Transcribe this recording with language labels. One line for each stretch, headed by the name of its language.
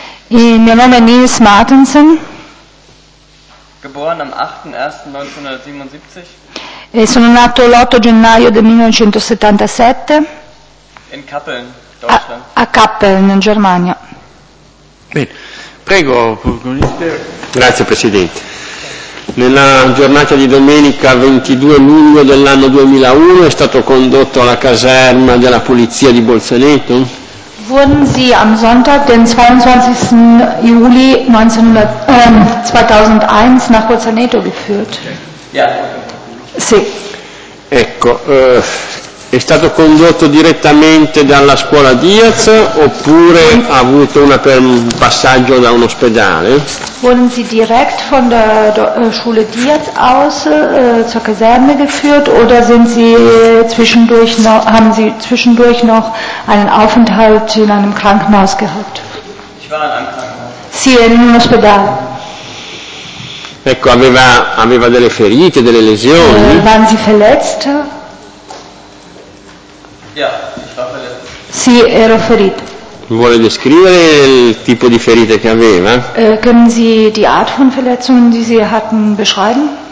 German: Mein Name ist Nils Martensen. Geboren am 8.1.1977.
Italian: E sono nato l'8 gennaio del 1977.
German: In Kappeln, Deutschland.
Italian: A Kappeln, in Germania. Bene, prego, ministero. Grazie, Presidente. Nella giornata di domenica 22 luglio dell'anno 2001 è stato condotto alla caserma della polizia di Bolzaneto.
German: Wurden Sie am Sonntag, den 22. Juli 2001, nach Bolzaneto geführt? Ja.
Italian: Sì. Ecco, è stato condotto direttamente dalla scuola Diaz oppure ha avuto un passaggio da un ospedale?
German: Wurden Sie direkt von der Schule Diaz aus zur Kaserne geführt oder sind Sie zwischendurch noch, haben Sie zwischendurch noch einen Aufenthalt in einem Krankenhaus gehabt? Ich war in einem Krankenhaus. Sie in einem Ospedale.
Italian: Ecco, aveva delle ferite, delle lesioni?
German: Waren Sie verletzt? Ja, ich war verletzt.
Italian: Sì, ero ferito. Vuole descrivere il tipo di ferite che aveva?
German: Können Sie die Art von Verletzungen, die Sie hatten, beschreiben?